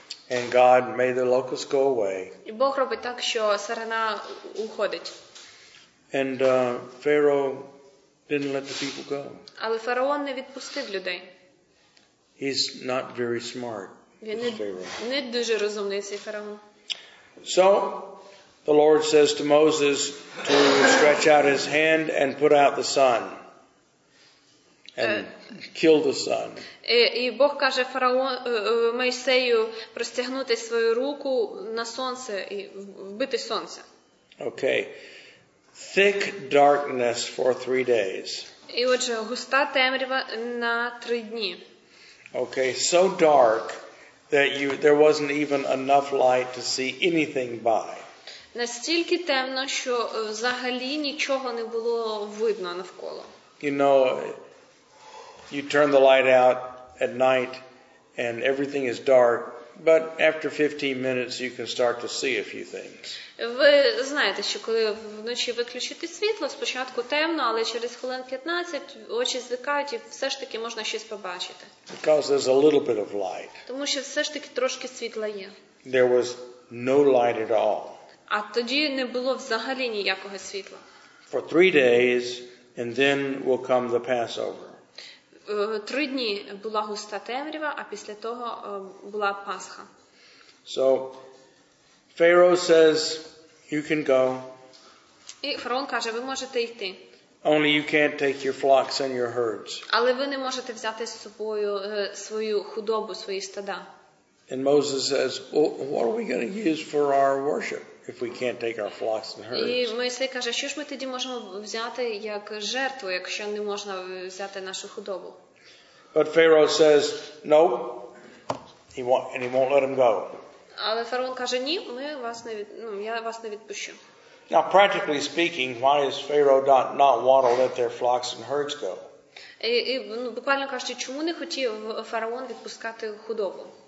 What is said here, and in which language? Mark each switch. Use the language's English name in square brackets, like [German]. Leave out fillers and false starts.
[English] And God made the locust go away. [Ukrainian] І Бог робить так, що сарана уходить. [English] And Pharaoh didn't let the people go. [Ukrainian] Але фараон не відпустив людей. [English] He's not very smart. [Ukrainian] Він не дуже розумний цей фараон. [English] So the Lord says to Moses to stretch out his hand and put out the sun and kill the sun. [Ukrainian] І Бог каже фараон Мойсею простягнути свою руку на сонце і вбити сонце. [English] Okay. Thick darkness for 3 days. [Ukrainian] І отже, густа темрява на 3 дні. [English] Okay, so dark that there wasn't even enough light to see anything by. [Ukrainian] Настільки темно, що взагалі нічого не було видно навколо. [English] You know, you turn the light out at night and everything is dark. But after 15 minutes you can start to see a few things. [Ukrainian] Ви знаєте, що коли вночі виключити світло, спочатку темно, але через хвилин 15 очі звикають і все ж таки можна щось побачити. [English] Because there's a little bit of light. [Ukrainian] Тому що все ж таки трошки світла є. [English] There was no light at all. [Ukrainian] А тоді не було взагалі ніякого світла. [English] For 3 days and then will come the Passover. [Ukrainian] 3 дні була густа темрява, а після того була Пасха. [English] So Pharaoh says you can go. [Ukrainian] І фараон каже, ви можете йти. [English] Only you can't take your flocks and your herds. [Ukrainian] Але ви не можете взяти з собою свою худобу, свої стада. [English] And Moses says, well, what are we going to use for our worship if we can't take our flocks and herds? [Ukrainian] І Мойсей каже, що ж ми тоді можемо взяти як жертву, якщо не можна взяти нашу худобу? [English] But Pharaoh says, nope. He won't let him go. [Ukrainian] Але фараон каже, ні, ми вас не від... ну, я вас не відпущу. [English] Now, practically speaking, why does Pharaoh not want to let their flocks and herds go? [Ukrainian] І ну, буквально кажучи, чому не хотів фараон відпускати худобу?